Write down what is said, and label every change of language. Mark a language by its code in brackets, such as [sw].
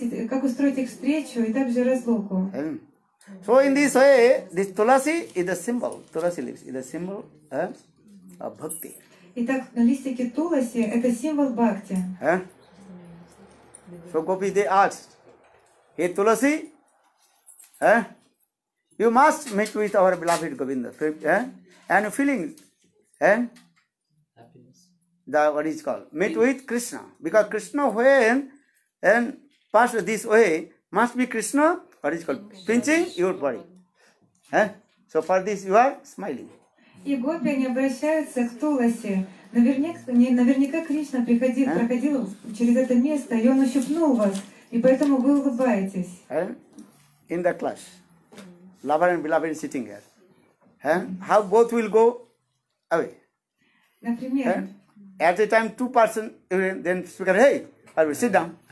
[ru] Как устроить их встречу и также разлуку. [en] So in this way, this tulasi is a symbol. Tulasi leaves is a symbol of bhakti. [ru] Итак, листики туласи это символ бхакти. [en] So Gopi they asked, hey tulasi, you must meet with our beloved Govinda, and feeling, happiness. The what is called meet with Krishna, because Krishna when and pass this way must be Krishna. What is called pinching your body. So for this you are smiling. [ru] И гопи не обращаются к туласи. Наверняка Кришна проходил через это место, и он ущипнул вас, и поэтому вы улыбаетесь. [en] In the class, lover and beloved sitting here. How both will go away? [ru] Например. [en] At the time two person then speaker, hey, I will sit down.